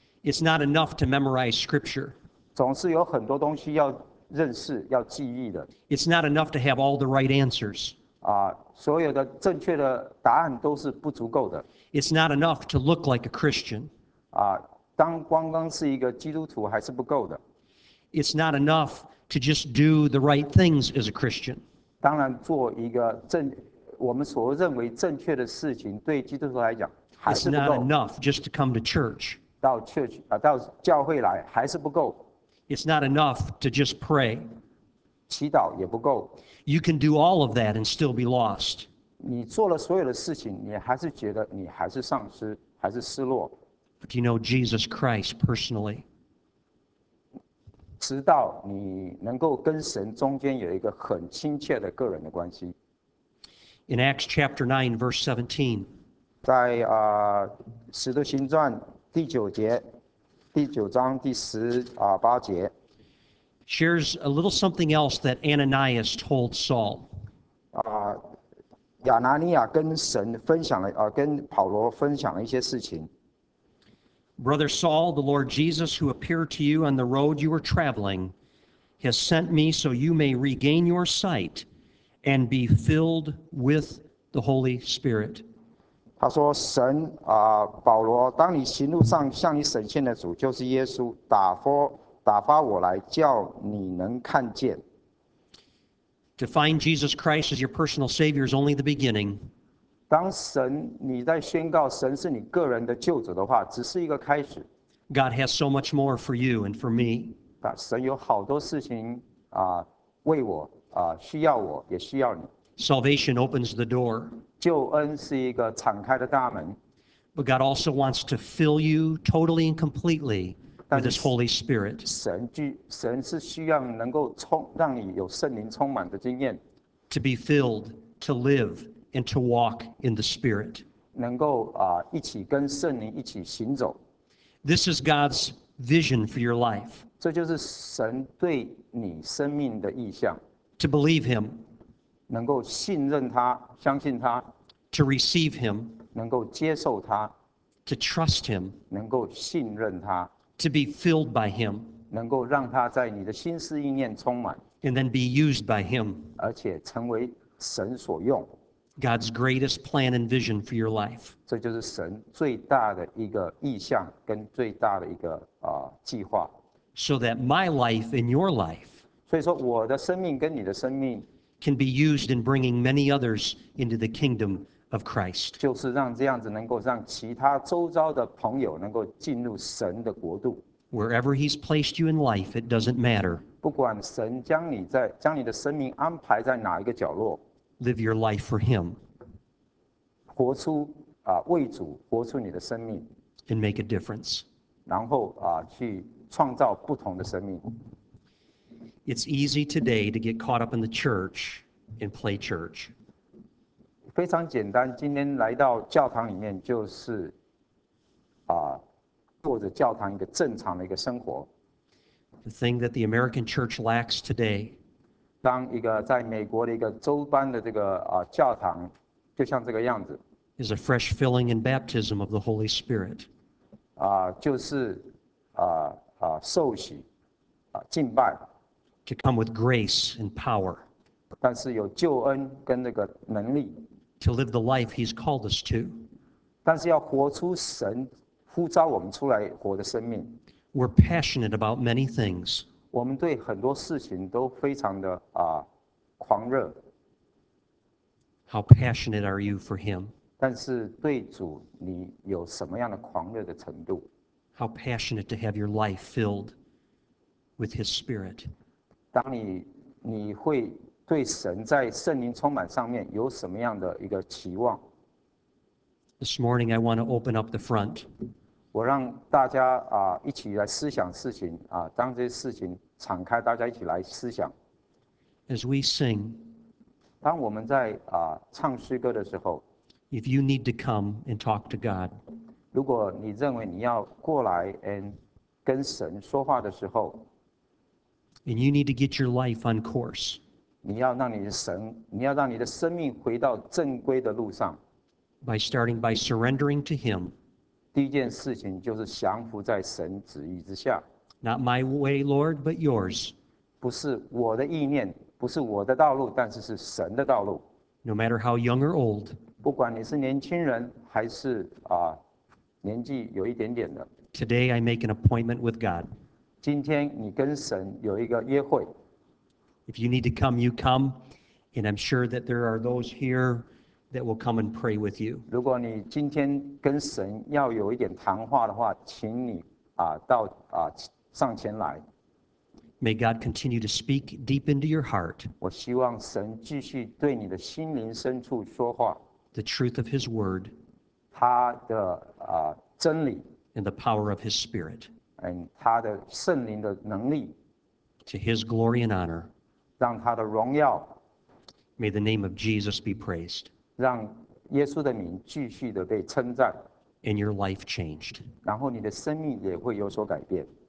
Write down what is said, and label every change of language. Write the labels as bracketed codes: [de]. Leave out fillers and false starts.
[en] It's not enough to memorize scripture. [zh] 总是有很多东西要认识，要记忆的。 [en] It's not enough to have all the right answers. [zh] 所有的正确的答案都是不足够的。 [en] It's not enough to look like a Christian. [zh] 当光光是一个基督徒还是不够的。 [en] It's not enough to just do the right things as a Christian. [zh] 当然做一个我们所认为正确的事情对基督徒来讲还是不够。 [en] It's not enough just to come to church. [zh] 到教会来还是不够。 [en] It's not enough to just pray. [zh] 祈祷也不够。 [en] You can do all of that and still be lost. [zh] 你做了所有的事情你还是觉得你还是丧失还是失落。 [en] But you know Jesus Christ personally. [zh] 直到你能够跟神中间有一个很亲切的个人的关系。 [en] In Acts chapter 9, verse 17. [zh] 在使徒行传第九节，第九章第十八节。 [en] Shares a little something else that Ananias told Saul. [zh] 亚拿尼亚跟神分享了，跟保罗分享了一些事情。 [en] Brother Saul, the Lord Jesus, who appeared to you on the road you were traveling, has sent me so you may regain your sight and be filled with the Holy Spirit. [zh] 他说神，保罗，当你行路上向你显现的主就是耶稣，打发我来，叫你能看见。 [en] To find Jesus Christ as your personal Savior is only the beginning. [zh] 当神，你在宣告神是你个人的救主的话，只是一个开始。 [en] God has so much more for you and for me. [zh] 神有好多事情，为我，需要我，也需要你。 [en] Salvation opens the door. [zh] 救恩是一个敞开的大门。 [en] But God also wants to fill you totally and completely with His Holy Spirit. [zh] 神是需要能够让你有圣灵充满的经验。 [en] To be filled, to live, and to walk in the Spirit. [zh] 能够一起跟圣灵一起行走。 [en] This is God's vision for your life. [zh] 这就是神对你生命的意向。 [en] To believe Him. [zh] 能够信任他，相信他。 [en] To receive Him. [zh] 能够接受他。 [en] To trust Him. [zh] 能够信任他。 [en] To be filled by Him, [zh] 能够让他在你的心思意念充满 [en] and then be used by Him, [zh] 而且成为神所用 [en] God's greatest plan and vision for your life. [zh] 这就是神最大的一个意向跟最大的一个计划 [en] So that my life and your life, [zh] 所以说我的生命跟你的生命 [en] can be used in bringing many others into the kingdom of Christ. [zh] 就是让这样子能够让其他周遭的朋友能够进入神的国度。 [en] Wherever He's placed you in life, it doesn't matter. [zh] 不管神将你的生命安排在哪一个角落。 [en] Live your life for Him. [zh] 活出为主活出你的生命。 [en] And make a difference. [zh] 然后去创造不同的生命。 [en] It's easy today to get caught up in the church and play church. [zh] 非常简单，今天来到教堂里面就是，过着教堂一个正常的一个生活。 [en] The thing that the American church lacks today， [zh] 当一个在美国的一个州般的这个教堂，就像这个样子。 [en] Is a fresh filling and baptism of the Holy Spirit。 [zh] 就是受洗，敬拜。 [en] To come with grace and power。 [zh] 但是有救恩跟那个能力。 [en] To live the life He's called us to. [zh] 但是要活出神呼召我们出来活的生命。 [en] We're passionate about many things. [zh] 我们对很多事情都非常的狂热。 [en] How passionate are you for Him? [zh] 但是对主你有什么样的狂热的程度？ [en] How passionate to have your life filled with His Spirit. [zh] 当你会对神在圣灵充满上面有什么样的一个期望 [en] ？This morning I want to open up the front. [zh] 我让大家一起来思想事情当这些事情敞开，大家一起来思想。 [en] As we sing, [zh] 当我们在唱诗歌的时候 [en] ，If you need to come and talk to God, [zh] 如果你认为你要过来 and 跟神说话的时候 [en] ，and you need to get your life on course. [zh] 你要让你的生命回到正规的路上。 [en] By starting by surrendering to Him. [zh] 第一件事情就是降服在神旨意之下。 [en] Not my way, Lord, but yours. [zh] 不是我的意念，不是我的道路，但是是神的道路。 [en] No matter how young or old. [zh] 不管你是年轻人还是年纪有一点点的。 [en] Today I make an appointment with God. [zh] 今天你跟神有一个约会。 [en] If you need to come, you come. And I'm sure that there are those here that will come and pray with you. [zh] 如果你今天跟神要有一点谈话的话，请你到上前来。 [en] May God continue to speak deep into your heart. [zh] 我希望神继续对你的心灵深处说话。 [en] The truth of His word. [zh] 他的真理。 [en] And the power of His spirit. [zh] And 他的圣灵的能力。 [en] To His glory and honor. [zh] 让他的荣耀 [en] May the name of Jesus be praised. [zh] 让耶稣的名继续的被称赞 [en] And your life changed. [zh] 然后你的生命也会有所改变